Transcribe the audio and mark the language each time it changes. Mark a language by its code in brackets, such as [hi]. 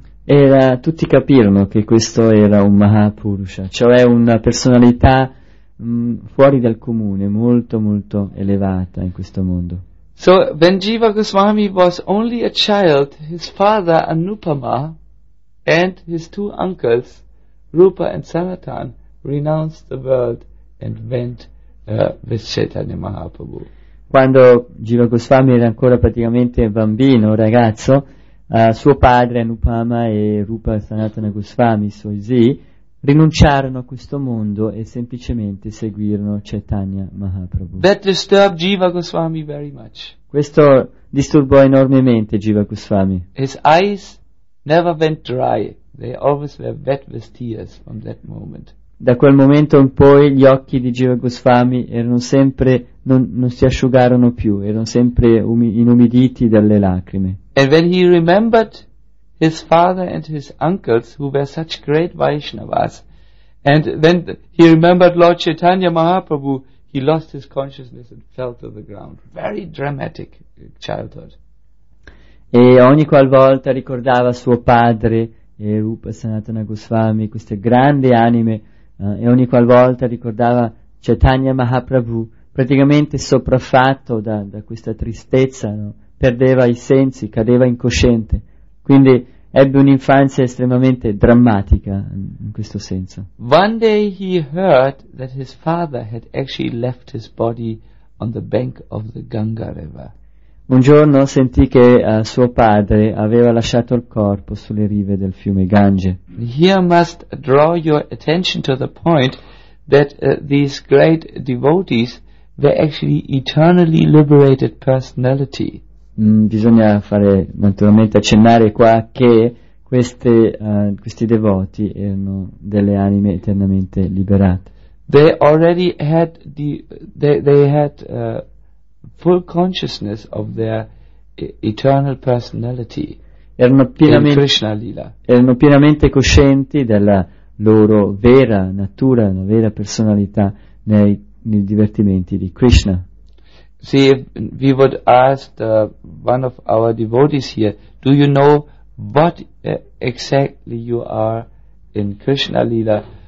[it] Era, tutti capirono che questo era un Mahapurusha, cioè una personalità fuori dal comune, molto molto elevata in questo mondo. [en] So when Jiva Goswami was only a child, his father Anupama and his two uncles Rupa and Sanatan renounced the world and went with Chaitanya Mahaprabhu. [it] Quando Jiva Goswami era ancora praticamente bambino, ragazzo, suo padre Anupama e Rupa Sanatana Goswami, suoi zii, rinunciarono a questo mondo e semplicemente seguirono Chaitanya Mahaprabhu. [en] That disturbed Jiva Goswami very much. [it] Questo disturbò enormemente Jiva Goswami. [en] His eyes never went dry, they always were wet with tears from that moment. [it] Da quel momento in poi gli occhi di Jiva Goswami erano sempre, non si asciugarono più, erano sempre inumiditi dalle lacrime. [en] And when he remembered his father and his uncles who were such great Vaishnavas, and when he remembered Lord Chaitanya Mahaprabhu, he lost his consciousness and fell to the ground. Very dramatic childhood. [it] E ogni qualvolta ricordava suo padre e Rupa Sanatana Goswami, queste grandi anime, e ogni qualvolta ricordava Chaitanya Mahaprabhu, praticamente sopraffatto da questa tristezza, no? Perdeva i sensi, cadeva incosciente. Quindi ebbe un'infanzia estremamente drammatica in questo senso. [en] One day he heard that his father had actually left his body on the bank of the Ganga River. [it] Un giorno sentì che suo padre aveva lasciato il corpo sulle rive del fiume Gange. [en] Here must draw your attention to the point that these great devotees were actually eternally liberated personality. [it] Bisogna fare naturalmente accennare qua che questi devoti erano delle anime eternamente liberate. [en] They already had full consciousness of their eternal personality. [it] Erano pienamente coscienti della loro vera natura, una vera personalità nei divertimenti di Krishna. [en] See, if we would ask one of our devotees here, do you know what exactly you are in Krishna Lila?